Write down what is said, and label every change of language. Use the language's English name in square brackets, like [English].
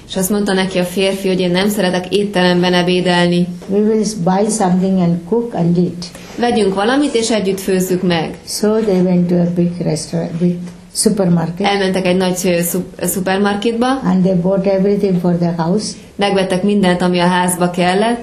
[Hungarian] És azt mondta neki a férfi, hogy én nem szeretek étteremben ebédelni. [English] We will buy something and cook and eat. [Hungarian] Vegyünk valamit és együtt főzzük meg. [English] So they went to a big restaurant, big supermarket. [Hungarian] Elmentek egy nagy supermarketba. [English] And they bought everything for the house. [Hungarian] Megvettek mindent, ami a házba kellett.